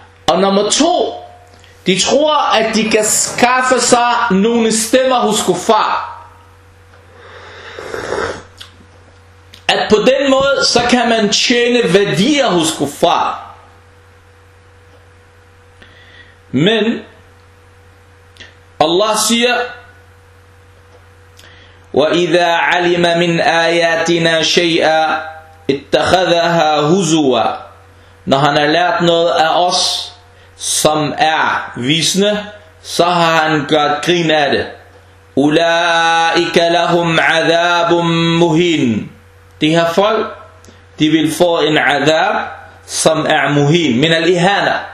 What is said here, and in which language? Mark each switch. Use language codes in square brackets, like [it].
[da] Og nummer to, de tror, at de kan skaffe sig nogle stemmer hos kuffar. At på den måde, så kan man tjene værdier hos kuffar. Men Allah siger, [ar] وَإِذَا عَلِمَ مِنْ آيَاتِنَا شَيْئًا اتَّخَذَهَا هُزُوًا. [da] Når han har lært noget af os, som er visne, så har han gjort grin af det. [ar] أُولَٰئِكَ لَهُمْ عَذَابٌ مُهِينٌ. [da] De her folk, de vil få en adab, som er muhin. [ar] Min al-ihana.